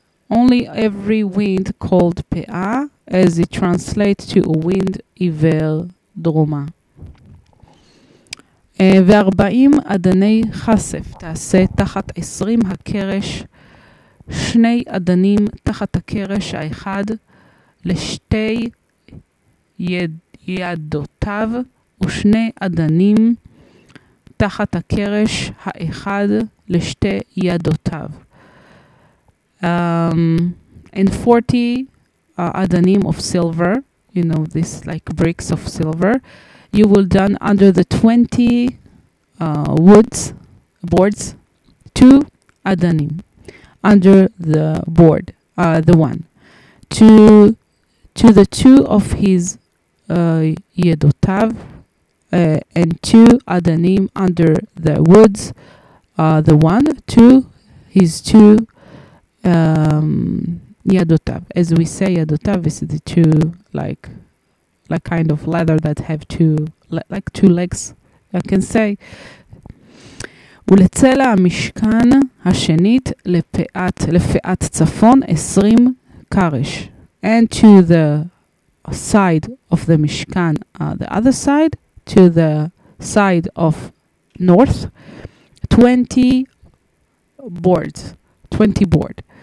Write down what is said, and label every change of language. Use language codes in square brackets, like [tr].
[en] only every wind called Pe'ah, as it translates to a wind Iver Droma. [he] ו-40 אדני חשף תעשה תחת 20 הקרש, שני אדנים תחת הקרש האחד לשתי ידותיו, ושני אדנים תחת הקרש האחד לשתי ידותיו. [en] And 40 אדנים of silver, you know, this like bricks of silver, you will done under the 20 woods, boards, two adanim, under the board, the one, to the two of his yedotav, and two adanim under the woods, the one, to his two yedotav. As we say, yedotav is the two, like kind of leather that have two, like two legs, I can say. [he] ולצלע המשכן השנית לפאת צפון 20 קרש. [en] And to the side of the משכן, the other side, to the side of north, 20 boards, 20 board.